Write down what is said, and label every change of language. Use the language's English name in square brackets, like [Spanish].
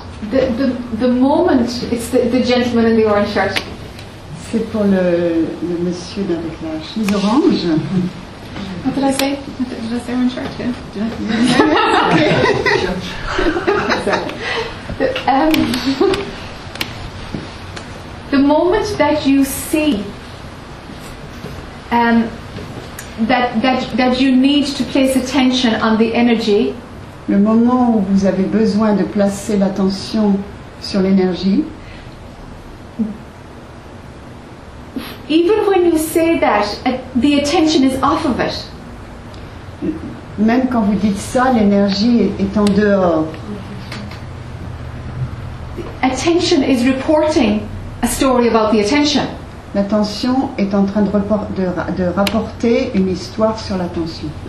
[English] The moment it's the gentleman in the orange shirt. [French] C'est pour le monsieur avec la chemise orange. [English] What did I say? Did I say orange shirt? Yeah. Okay. The moment that you see that you need to place attention on the energy. [French] Le moment où vous avez besoin de placer l'attention sur l'énergie. [English] Even when you say that, the attention is off of it. [French] Même quand vous dites ça, l'énergie est en dehors. [English] Attention is reporting a story about the attention. [French] L'attention est en train de rapporter une histoire sur l'attention.